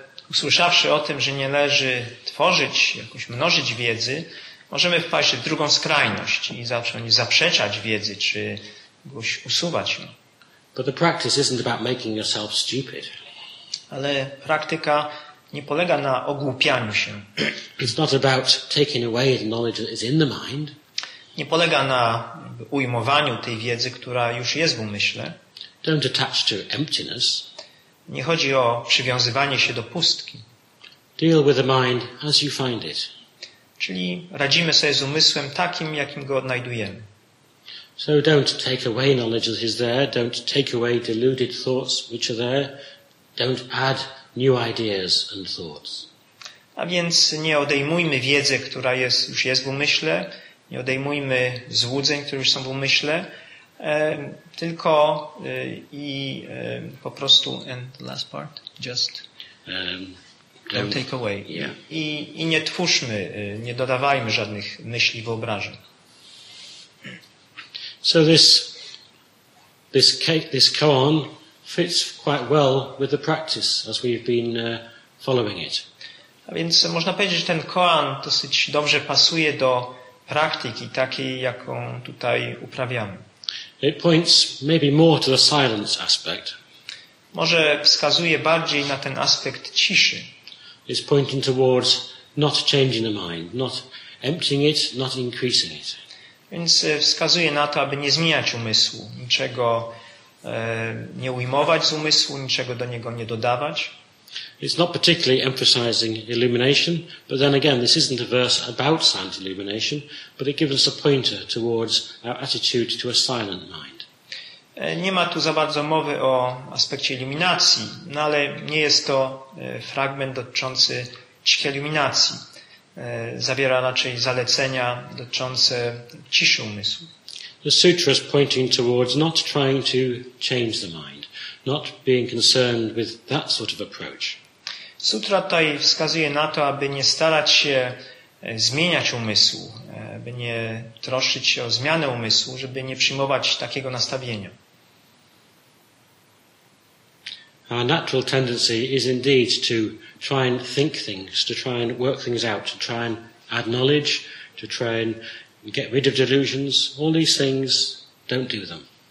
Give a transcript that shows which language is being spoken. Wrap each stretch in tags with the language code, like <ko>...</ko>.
<pl>Usłyszawszy o tym, że nie należy tworzyć, jakoś mnożyć wiedzy, możemy wpaść w drugą skrajność i zacząć zaprzeczać wiedzy czy usuwać ją.</pl> <en>But the practice isn't about making yourself stupid.</en> <pl>Ale praktyka nie polega na ogłupianiu się.</pl> <en>It's not about taking away the knowledge that is in the mind.</en> <pl>Nie polega na ujmowaniu tej wiedzy, która już jest w umyśle.</pl> <en>Don't attach to emptiness.</en> <pl>Nie chodzi o przywiązywanie się do pustki.</pl> <en>Deal with the mind as you find it.</en> <pl>Czyli radzimy sobie z umysłem takim, jakim go odnajdujemy.</pl> <en>So don't take away knowledge that is there. Don't take away deluded thoughts which are there. Don't add new ideas and thoughts.</en> <pl>A więc nie odejmujmy wiedzy, która już jest w umyśle. Nie odejmujmy złudzeń, które już są w umyśle. Tylko i po prostu</pl> <en>and the last part, just don't take away. Yeah.</en> <pl>I nie twórzmy, nie dodawajmy żadnych myśli, wyobrażeń.</pl> <en>So this koan fits quite well with the practice as we've been following it.</en> <pl>A więc można powiedzieć, że ten koan dosyć dobrze pasuje do praktyki takiej, jaką tutaj uprawiamy.</pl> <en>It points maybe more to the silence aspect.</en> <pl>Może wskazuje bardziej na ten aspekt ciszy.</pl> <en>It's pointing towards not changing the mind, not emptying it, not increasing it.</en> <pl>Więc wskazuje na to, aby nie zmieniać umysłu, niczego nie ujmować z umysłu, niczego do niego nie dodawać.</pl> <en>It's not particularly emphasizing illumination, but then again, this isn't a verse about silent illumination, but it gives us a pointer towards our attitude to a silent mind.</en> <pl>Nie ma tu za bardzo mowy o aspekcie iluminacji, no ale nie jest to fragment dotyczący cichej iluminacji. Zawiera raczej zalecenia dotyczące ciszy umysłu.</pl> <en>The sutra is pointing towards not trying to change the mind, not being concerned with that sort of approach.</en> <pl>Sutra tutaj wskazuje na to, aby nie starać się zmieniać umysłu, aby nie troszczyć się o zmianę umysłu, żeby nie przyjmować takiego nastawienia.</pl> <en>Our natural tendency is indeed to try and think things, to try and work things out, to try and add knowledge, to try and get rid of delusions. All these things, don't do them.</en>